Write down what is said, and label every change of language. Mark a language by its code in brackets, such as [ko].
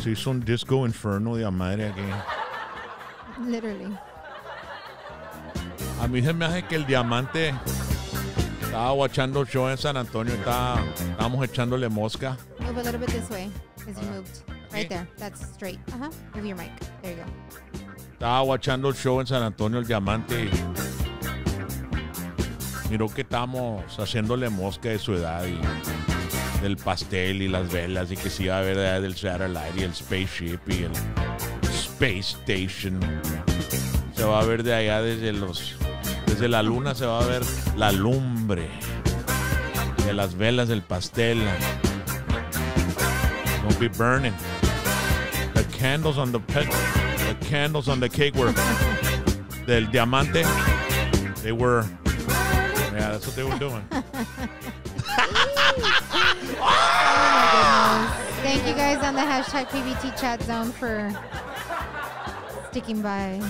[es] Se hizo un disco inferno de madre aquí. [en] Literally. [es] A mí se me hace que el diamante estaba guachando show en San Antonio. Estábamos echándole mosca. [en] Move a little bit this way as you moved. Right there. That's straight. Uh-huh. Move your mic. There you go. [es] Estaba guachando show en San Antonio, el diamante. Miró que estábamos haciéndole mosca de su edad y del pastel y las velas y que sí iba a haber del satellite y el spaceship y el space station. Se va a ver de allá desde la luna, se va a ver la lumbre de las velas del pastel. [en] Don't be burning the candles on the petal, the candles on the cake were [es] del diamante. [en] They were. Yeah, that's what they were doing. Thank you guys on the hashtag PBT chat zone for sticking by.